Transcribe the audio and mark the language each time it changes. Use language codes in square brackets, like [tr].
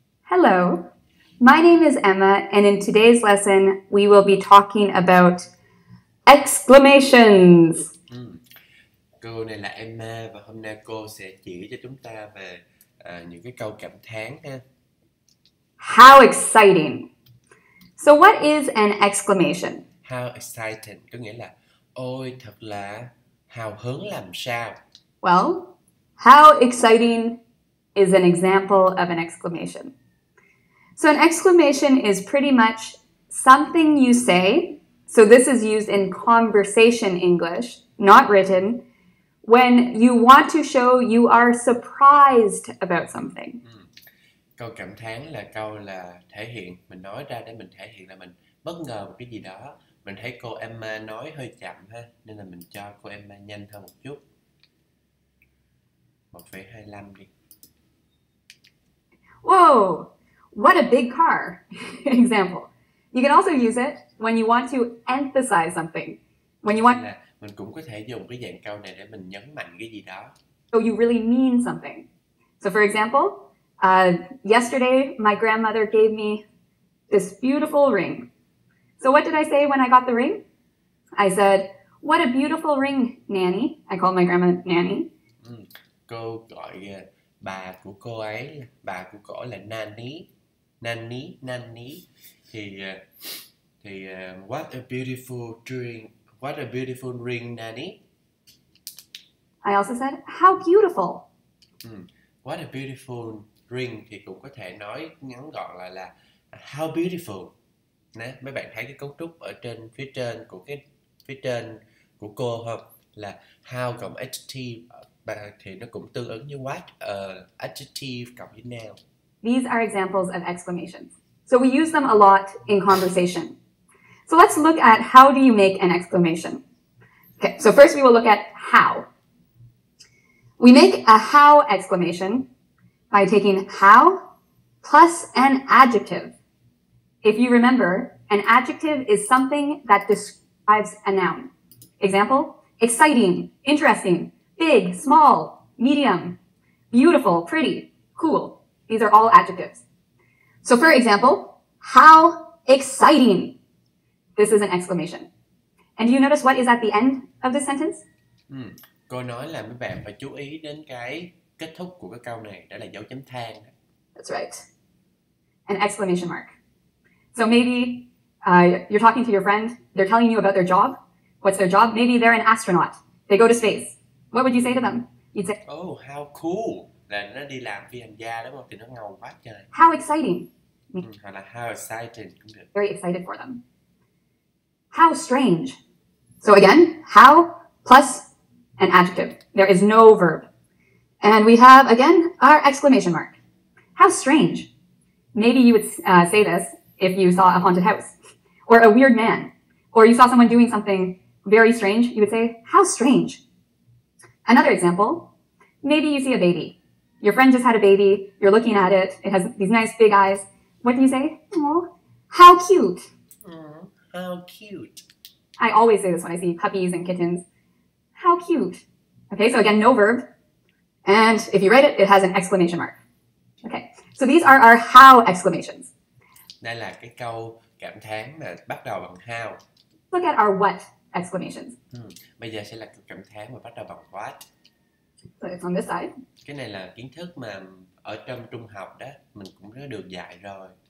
[en] Hello, my name is Emma, and in today's lesson, we will be talking about exclamations. [vi] Cô này là Emma, và hôm nay cô sẽ chỉ cho chúng ta về những cái câu cảm thán ha. [en] How exciting! So what is an exclamation? How exciting, [vi] có nghĩa là ôi thật là hào hứng làm sao. [en] Well, how exciting is an example of an exclamation. So an exclamation is pretty much something you say. So this is used in conversation English, not written, when you want to show you are surprised about something. [vi] Câu cảm thán là câu là thể hiện, mình nói ra để mình thể hiện là mình bất ngờ một cái gì đó. Mình thấy cô Emma nói hơi chậm ha, nên là mình cho cô Emma nhanh hơn một chút. 1.25 đi. [en] Whoa! What a big car, example. You can also use it when you want to emphasize something. When you want... [vi] Mình cũng có thể dùng cái dạng câu này để mình nhấn mạnh cái gì đó. [en] So you really mean something. So for example, yesterday my grandmother gave me this beautiful ring. So what did I say when I got the ring? I said, what a beautiful ring, Nanny. I called my grandma Nanny. [vi] Cô gọi bà của cô ấy, bà của cô là Nanny. [en] Nanny, Nanny, thì what a beautiful ring, what a beautiful ring, Nanny. I also said, how beautiful. What a beautiful ring, [vi] thì cũng có thể nói ngắn gọn là [en] how beautiful. [vi] Nè, mấy bạn thấy cái cấu trúc ở trên phía trên của cái phía trên của cô không? Là how cộng adjective, thì nó cũng tương ứng như what adjective cộng với noun. [en] These are examples of exclamations. So we use them a lot in conversation. So let's look at how do you make an exclamation. Okay, so first we will look at how. We make a how exclamation by taking how plus an adjective. If you remember, an adjective is something that describes a noun. Example, exciting, interesting, big, small, medium, beautiful, pretty, cool. These are all adjectives. So for example, how exciting. This is an exclamation. And do you notice what is at the end of the sentence? [vi] Cô nói là mấy bạn phải chú ý đến cái kết thúc của cái câu này, đó là dấu chấm than. [en] That's right. An exclamation mark. So maybe you're talking to your friend, they're telling you about their job. What's their job? Maybe they're an astronaut. They go to space. What would you say to them? You'd say, oh, how cool. [vi] Là nó đi làm phi hành gia đúng không? Thì nó ngầu quá trời. [en] How exciting. [vi] Hoặc là [en] how exciting [vi] cũng được. [en] Very excited for them. How strange. So again, how plus an adjective. There is no verb. And we have, again, our exclamation mark. How strange. Maybe you would say this if you saw a haunted house. Or a weird man. Or you saw someone doing something very strange. You would say, how strange. Another example. Maybe you see a baby. Your friend just had a baby, you're looking at it, it has these nice big eyes. What do you say? Oh, how cute. Aww, how cute. I always say this when I see puppies and kittens. How cute. Okay, so again, no verb. And if you write it, it has an exclamation mark. Okay, so these are our how exclamations. [vi] Đây là cái câu cảm thán mà bắt đầu bằng how. [en] Look at our what exclamations. [vi] Bây giờ sẽ là câu cảm thán mà bắt đầu bằng what. [en] So it's on this side. [vi] Cái này là kiến thức mà ở trong trung học đó mình cũng đã được dạy rồi.